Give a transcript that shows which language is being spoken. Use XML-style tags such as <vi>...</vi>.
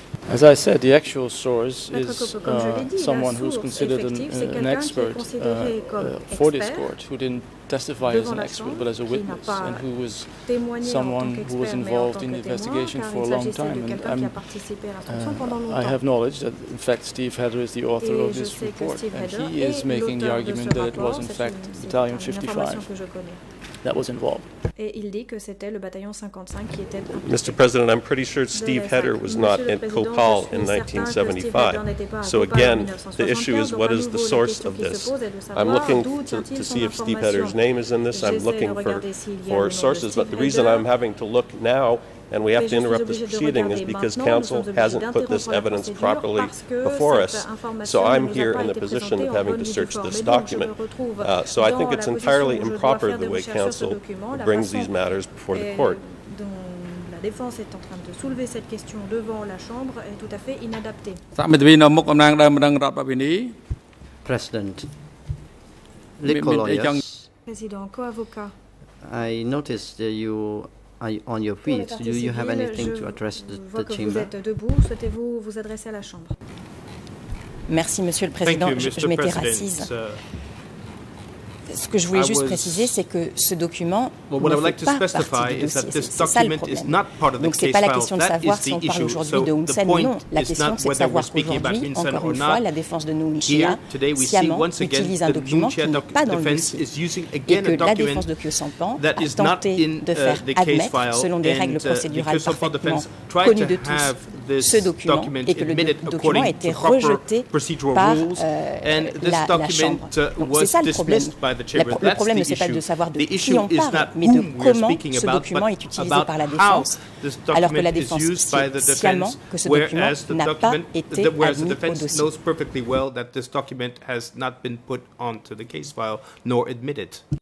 <en>As I said, the actual source is someone who's considered an expert for this court, who didn't testify as an expert but as a witness, and who was someone who was involved in the investigation for a long time. And I have knowledge that, in fact, Steve Heder is the author of this report, and he is making the argument that it was, in fact, Battalion 55 that was involved.</en> <fr>Et il dit que c'était le bataillon 55 qui était.</fr> <en>Mr. President, I'm pretty sure Steve Heder was not at Kopal in 1975. So again, the issue is what is the source of this? I'm looking to see if Steve Heder's name is in this. I'm looking for sources. But the reason I'm having to look now and we have to interrupt this proceeding is because counsel hasn't put this evidence properly before us. So I'm here in the position of having to search this document. So I think it's entirely improper the way counsel brings these matters before the court.</en> <fr>La défense est en train de soulever cette question devant la chambre est tout à fait inadapté.</fr> <en>President. Nicolas. President, co-avocat. I noticed that you are on your feet. Do you have anything to address the chamber?</en> <fr>Vous êtes debout, souhaitez-vous vous adresser à la chambre? Merci monsieur le président, je m'étais assise. Ce que je voulais juste préciser, c'est que ce document ne fait pas partie du dossier. C'est ça le problème. Donc, ce n'est pas la question de savoir si on parle aujourd'hui de Hun Sen ou non. La question, c'est de savoir qu'aujourd'hui, encore une fois, la défense de Nguyen Chia sciemment utilise un document qui n'est pas dans le dossier et que la défense de Kyo Sampan a tenté de faire admettre, selon des règles procédurales parfaitement connues de tous, ce document et que le document a été rejeté par la chambre. Donc c'est ça le problème. Le problème ne c'est pas de savoir de qui on parle, mais de comment ce document est utilisé par la défense, alors que la défense sait sciemment que ce document n'a pas été admis au dossier.</fr> <en>Has not been put onto the case file nor admitted.</en>